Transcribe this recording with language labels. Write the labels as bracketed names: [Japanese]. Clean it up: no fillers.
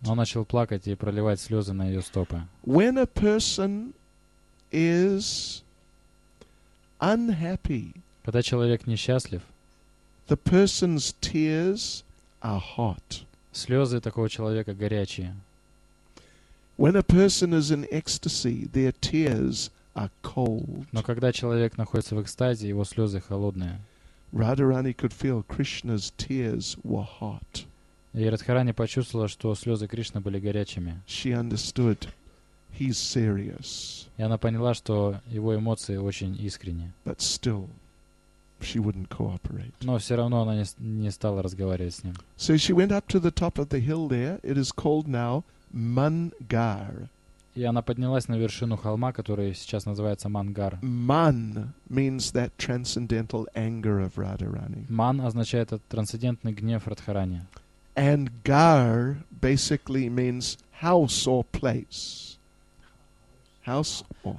[Russian] Он начал плакать и проливать слезы на ее стопы. [English] When a person is unhappy, [Russian] когда человек несчастлив, [English] the person's tears are hot. [Russian] Слезы такого человека горячие. [English] When a person is in ecstasy, their tears are cold. [Russian] Но когда человек находится в экстазе, его слезы холодные. [English] Radharani could feel Krishna's tears were hot. [Russian] И Радхарани почувствовала, что слезы Кришны были горячими. [English] She understood he's serious. [Russian] И она поняла, что его эмоции очень искренни. [English] But still, she wouldn't cooperate. [Russian] Но все равно она не стала разговаривать с ним. [English] So she went up to the top of the hill there. It is called now Mangar. [Russian] И она поднялась на вершину холма, который сейчас называется Мангар. [English] Man means that transcendental anger of Radharani. [Russian] Man означает этот трансцендентный гнев Радхарани. [English] And gar basically means house or place. House or.